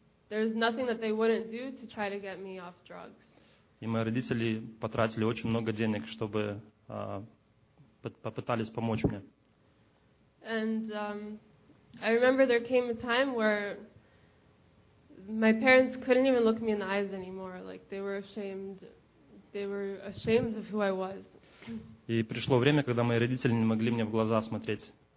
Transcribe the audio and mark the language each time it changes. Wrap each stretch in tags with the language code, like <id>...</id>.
<en>There's nothing that they wouldn't do to try to get me off drugs.</en> <ru>И мои родители потратили очень много денег, чтобы попытались помочь мне.</ru> <en>And I remember there came a time where my parents couldn't even look me in the eyes anymore. Like they were ashamed. They were ashamed of who I was.</en> <ru>И пришло время, когда мои родители не могли мне в глаза смотреть.</ru>